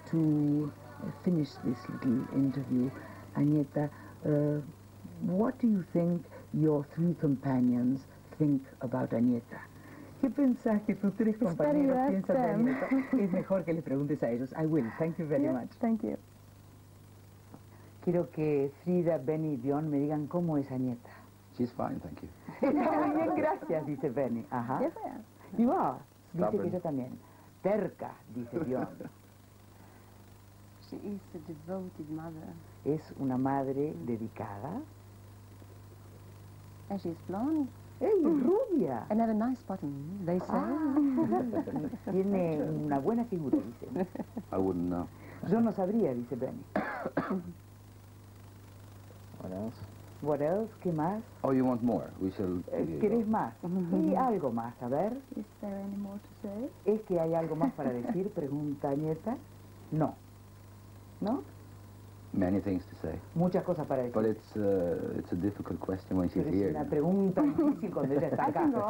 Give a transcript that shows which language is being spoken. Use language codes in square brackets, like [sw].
[en] To finish this little interview, Agnetha, what do you think your three companions think about Agnetha? [es] ¿Qué pensás que tus tres compañeros piensan de Agnetha? Es mejor que les preguntes a ellos. [en] I will. Thank you very much. Thank you. [es] Quiero que Frida, Benny y Bjorn me digan cómo es Agnetha. [en] She's fine, thank you. [es] Está muy bien, gracias, dice Benny. Ajá. [en] Yes, I am. You are. Stubborn. [es] Dice que yo también. Terca, dice Bjorn. [en] She is a devoted mother. [es] Es una madre dedicada. [en] And she's blonde. [es] ¡Ey, rubia! [en] And have a nice bottom, they say. [es] Tiene una buena figura, dice. [en] I wouldn't know. [es] Yo no sabría, dice Benny. [en] What else? What else? [es] ¿Qué más? [en] Oh, you want more. We shall... [es] ¿Querés más? Y algo más, a ver. [en] Is there any more to say? [es] ¿Es que hay algo más para decir? Pregunta Agnetha. No. ¿No? [en] Many things to say. [es] Muchas cosas para decir. [en] But it's a difficult question when she's here. [es] Es una pregunta difícil cuando ella está acá.